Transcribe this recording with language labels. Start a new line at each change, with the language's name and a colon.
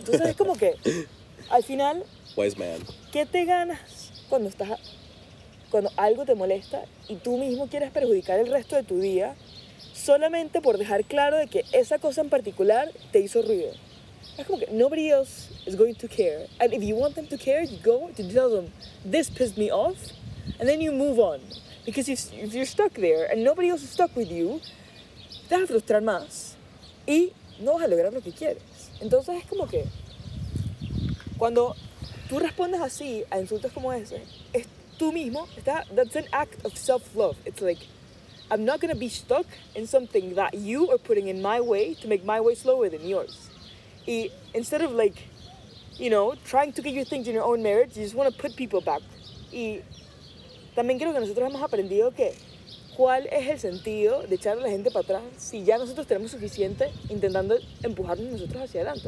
Spanish: Entonces, es como que, al final,
English: wise man.
Spanish: ¿Qué te ganas cuando algo te molesta y tú mismo quieres perjudicar el resto de tu día solamente por dejar claro de que esa cosa en particular te hizo ruido? Es como que
English: nobody else is going to care. And if you want them to care, you go to tell them, this pissed me off, and then you move on. Because if you're stuck there and nobody else is stuck with you,
Spanish: te vas a frustrar más y no vas a lograr lo que quieres. Entonces es como que cuando tú respondes así a insultos como ese, es tú mismo,
English: that's an act of self-love. It's like, I'm not going to be stuck in something that you are putting in my way to make my way slower than yours. Y instead of like, you know, trying to get your things in your own merit, you just want to put people back.
Spanish: Y también creo que nosotros hemos aprendido que cuál es el sentido de echar a la gente para atrás si ya nosotros tenemos suficiente intentando empujarnos nosotros hacia adelante.